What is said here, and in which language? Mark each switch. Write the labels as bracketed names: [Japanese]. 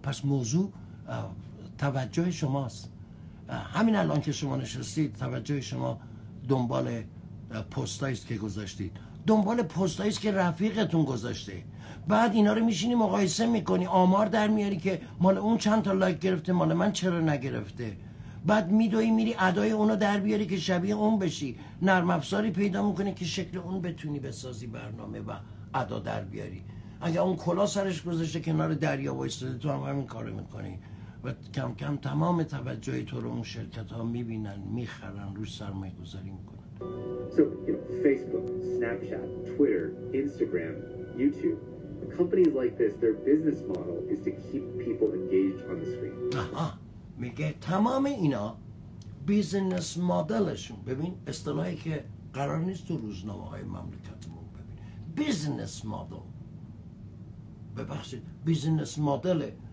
[Persian] پس موضوع توجه شماست. همین الان که شما نشستید توجه شما دنبال پستاییست که گذاشتید، دنبال پستاییست که رفیقتون گذاشته، بعد اینا رو میشینی مقایسه میکنی، آمار در میاری که مال اون چند تا لایک گرفته، مال من چرا نگرفته، بعد میدوی میری ادای اونو در بیاری که شبیه اون بشی، نرم افزاری پیدا میکنی که شکل اون بتونی بسازی برنامه و ادا در بیاری. اگه اون کلا سرش گذاشته کنار دریا وایستاده، تو هم همین کارو میکنی و کم کم تمام توجه تو رو اون شرکت ها میبینن، میخرن، روش سرمایه گذاری میکنن. [English] So, you know, Facebook, Snapchat, Twitter, Instagram, YouTube. Companies like this, their business model is to keep people engaged on the screen. Aha. [Persian] میگه تمام اینا بیزنس مدلشون، ببین اصطلاحی که قرار نیست تو روزنامه های مملکتمون ببین، بیزنس مدل، ببخشید، بیزنس مدل